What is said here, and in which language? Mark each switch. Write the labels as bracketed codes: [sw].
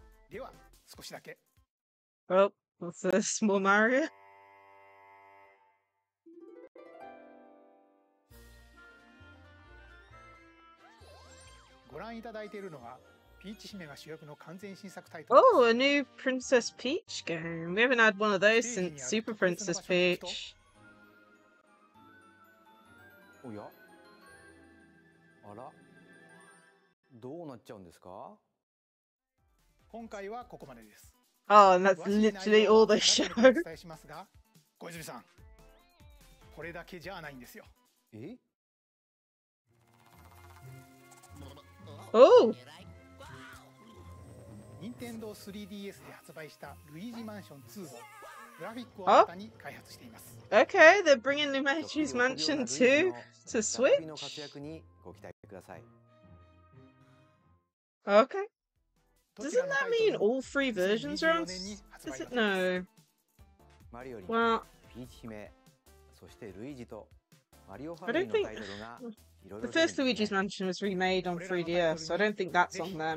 [ja] では。少しだけ。 [en] Oh, what's this? More Mario? [ja] ご覧いただいているのは、ピーチ姫が主役の完全新作タイトル。 [en] Oh, a new Princess Peach game. We haven't had one of those since Super Princess Peach. [ja] おや？あら？どうなっちゃうんですか？今回はここまでです。 [en] Oh, and that's literally all the show. [ja] 小泉さん、これだけじゃないんですよ。え？ Oh! Nintendo 3DS で発売したルイージマンション2をグラフィックを新たに開発しています。 [en] Okay, they're bringing Luigi's Mansion 2 to Switch. [ja] 活躍にご期待ください。 [en] Okay. Doesn't that mean all three versions are on? Is it no? Mario, well, Peach, and Luigi. I don't think the first Luigi's Mansion was remade on 3DS, so I don't think that's on there.